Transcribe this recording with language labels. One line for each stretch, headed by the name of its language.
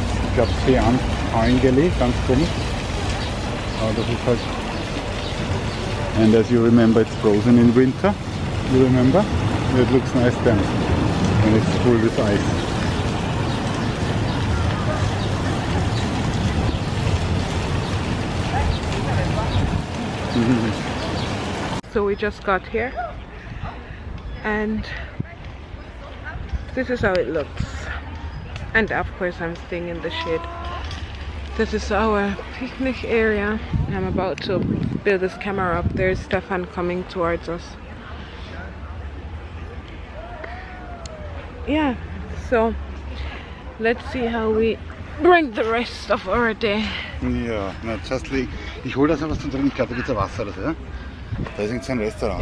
German: Ich glaube, C an eingelegt, ganz komisch. Aber das ist halt...
English: And as you remember, it's frozen in winter. You remember? It looks nice then. And it's full with ice. So we just got here and this is how it looks, and of course I'm staying in the shade. This is our picnic area. I'm about to build this camera up. There's Stefan coming towards us. Yeah, so let's see how we bring the rest of our day. Yeah, no, just like,
German: ich hol das noch was zum Trinken, ich glaube, da gibt's ein Wasser oder so, ja? Da ist irgendein Restaurant.